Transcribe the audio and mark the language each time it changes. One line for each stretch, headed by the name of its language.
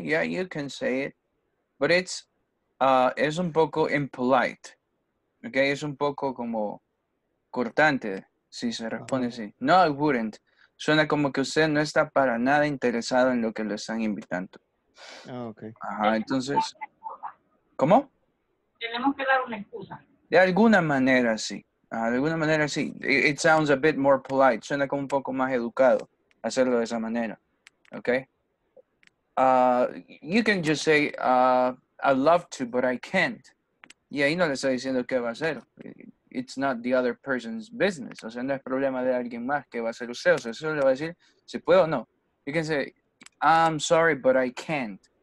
English: Yeah, you can say it, but it's
Spanish: es un poco
English: impolite.
Spanish: Okay, es un poco como cortante si se responde así.
English: No, I wouldn't.
Spanish: Suena como que usted no está para nada interesado en lo que lo están invitando.
English: Okay.
Spanish: Ajá. Entonces, ¿cómo? Tenemos que dar una excusa. De alguna manera sí. De alguna manera sí.
English: It sounds a bit more polite.
Spanish: Suena como un poco más educado hacerlo de esa manera.
English: Okay. You can just say, I'd love to, but I can't.
Spanish: Y ahí no le está diciendo qué va a hacer.
English: It's not the other person's business.
Spanish: O sea, no es problema de alguien más que va a hacer usted. O sea, eso le va a decir si puedo o no.
English: You can say, I'm sorry, but I can't.